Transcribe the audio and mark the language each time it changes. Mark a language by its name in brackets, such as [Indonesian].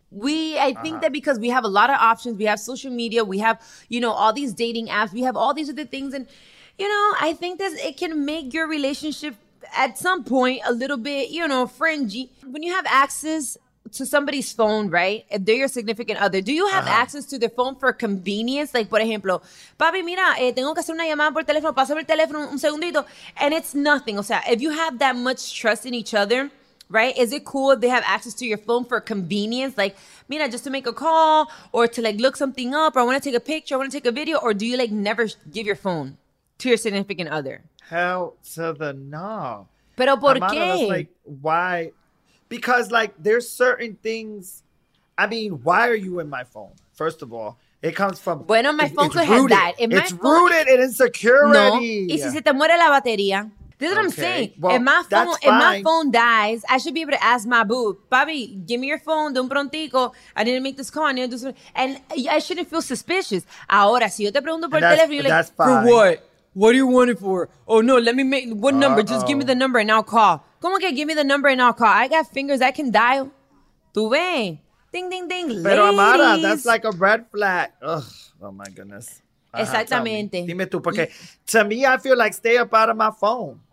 [English] I think that because we have a lot of options, we have social media, we have, you know, all these dating apps, we have all these other things. And, you know, I think that it can make your relationship at some point a little bit, you know, fringy. When you have access to somebody's phone, right? If they're your significant other, do you have access to their phone for convenience? [Spanish] Like, por ejemplo, papi, mira, tengo que hacer una llamada por teléfono, paso por el teléfono un segundito. [English] And it's nothing. O sea, if you have that much trust in each other, right? Is it cool if they have access to your phone for convenience? Like, mira, just to make a call or to like look something up, or I want to take a picture, I want to take a video, or do you like never give your phone to your significant other? Hell to the no. [Spanish] Pero por qué? [English] Like, why? Because, like, there's certain things. I mean, why are you in my phone? First of all, it comes from. Bueno, my phone could have that. It's rooted in insecurity. [Spanish] No. Y si se te muere la batería. [English] This is what I'm saying. Well, if my phone dies, I should be able to ask my boo, Bobby, give me your phone, de un prontico. I didn't make this call. And I shouldn't feel suspicious. [Spanish] Ahora, si yo te pregunto por el teléfono, you're like, [English] for what? What do you want it for? Oh, no, let me make, what number? Just give me the number and I'll call. ¿Cómo que give me the number and I'll call? I got fingers, I can dial. Tú ven. Ding, ding, ding. [Spanish] Pero, [English] ladies. Amara, that's like a red flag. Ugh. Oh, my goodness. [Spanish] Exactamente. [English] Ajá, dime tú, porque to me, I feel like stay up out of my phone.